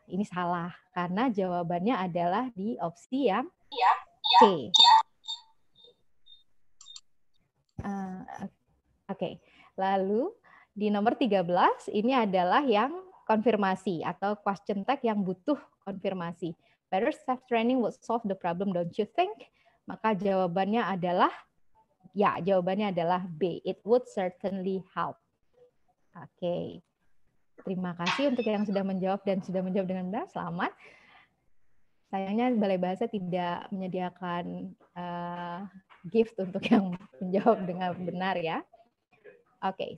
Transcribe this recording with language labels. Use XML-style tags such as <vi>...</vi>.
<id>Ini salah, karena jawabannya adalah di opsi yang C. Okay. Lalu di nomor 13, ini adalah yang konfirmasi atau question tag yang butuh konfirmasi.</id> <en>Better staff training would solve the problem, don't you think?</en> <id>Maka jawabannya adalah, ya, jawabannya adalah B.</id> <en>It would certainly help. Oke, okay.</en> <id>Terima kasih untuk yang sudah menjawab dan sudah menjawab dengan benar. Selamat. Sayangnya Balai Bahasa tidak menyediakan gift untuk yang menjawab dengan benar ya. Oke, okay.</id>